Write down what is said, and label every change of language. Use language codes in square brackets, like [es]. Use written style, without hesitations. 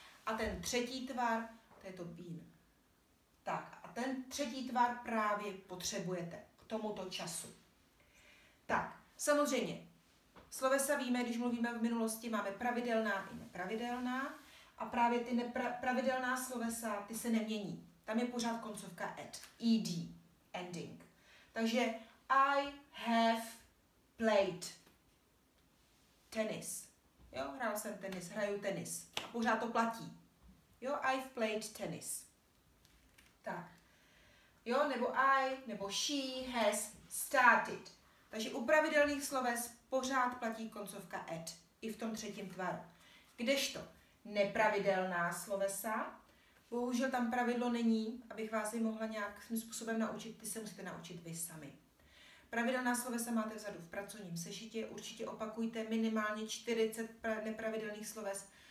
[cs] A ten třetí tvar, to je to been. Tak a ten třetí tvar právě potřebujete k tomuto času. Tak, samozřejmě, slovesa víme, když mluvíme v minulosti, máme pravidelná i nepravidelná. A právě ty pravidelná slovesa, ty se nemění. Tam je pořád koncovka ed, ed, ending. [en] Takže I have played tennis. [cs] Jo, hrál jsem tenis, hraju tenis. A pořád to platí. Jo, I've played tennis. Tak. [en] Jo, nebo I, nebo she has started. [cs] Takže u pravidelných sloves pořád platí koncovka ed, i v tom třetím tvaru. Kdežto? Nepravidelná slovesa. Bohužel tam pravidlo není, abych vás je mohla nějakým způsobem naučit, ty se musíte naučit vy sami. Pravidelná slovesa máte vzadu v pracovním sešitě, určitě opakujte minimálně 40 nepravidelných sloves.